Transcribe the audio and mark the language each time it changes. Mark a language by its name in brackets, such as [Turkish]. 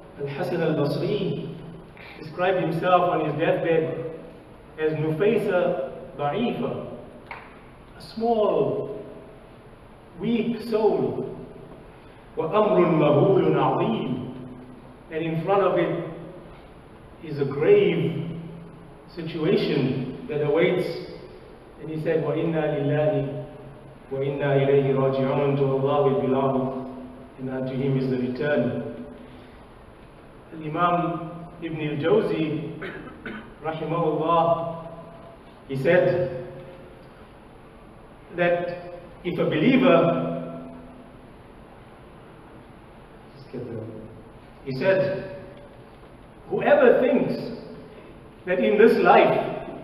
[English] Al-Hasan al-Basri described himself on his deathbed as Nufaysa Ba'ifa, a small, weak soul. [Arabic] وَأَمْرٌ مَهُولٌ عَظِيمٌ. [English] And in front of it is a grave situation that awaits. And he said, [Arabic] وَإِنَّا لِلَّهِ وَإِنَّا إِلَيْهِ رَاجِعُونَ. [English] To Allah we belong, and unto Him is the return. Imam Ibn al-Jawzi, rahimahullah, he said that if a believer, he said, whoever thinks that in this life